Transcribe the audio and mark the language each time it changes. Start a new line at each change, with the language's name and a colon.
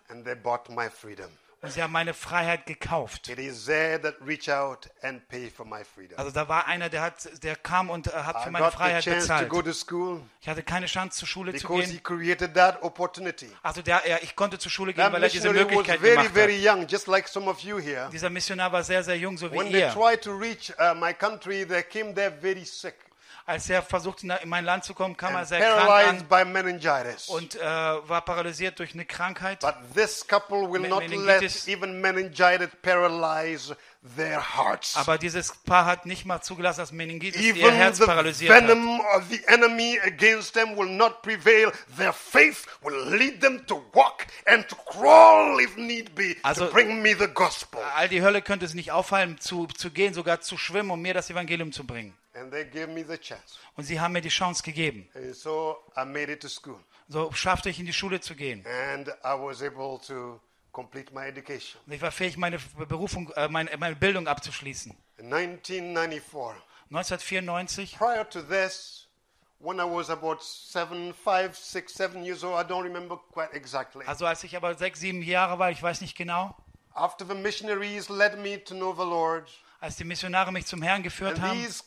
English: And they bought my freedom.
German: Und sie haben meine Freiheit gekauft.
English: It is there that reach out and pay for my freedom.
German: Also da war einer, der kam und hat für meine Freiheit bezahlt.
English: I got the chance to go to school.
German: Ich hatte keine Chance, zur Schule zu gehen.
English: Because he created that opportunity.
German: Also ich konnte zur Schule gehen, weil er diese Möglichkeit gemacht hat.
English: That missionary was very, very young, just like some of you here.
German: Dieser Missionar war sehr, sehr jung, so wie ihr.
English: When they tried to reach my country, they came there very sick.
German: Als er versuchte, in mein Land zu kommen, kam er sehr krank an und war paralysiert durch eine Krankheit.
English: But this couple will not let even meningitis paralyze their hearts.
German: Aber dieses Paar hat nicht mal zugelassen, dass Meningitis ihr Herz paralysiert hat.
English: Even the venom of the enemy against them will not prevail. Their faith will lead them to walk and to crawl if need be, also, to bring me the gospel.
German: All die Hölle könnte es nicht aufhalten, zu gehen, sogar zu schwimmen, um mir das Evangelium zu bringen.
English: And they gave me the chance.
German: Und sie haben mir die Chance gegeben.
English: And so I made it to school.
German: So schaffte ich, in die Schule zu gehen.
English: And I was able to complete my education.
German: Und ich war fähig, meine Berufung, meine Bildung abzuschließen.
English: In 1994. Prior to this, when I was about 7 years old, I don't remember quite exactly.
German: Also als ich aber 6, 7 Jahre war, ich weiß nicht genau.
English: After the missionaries led me to know the Lord.
German: Als die Missionare mich zum Herrn geführt haben.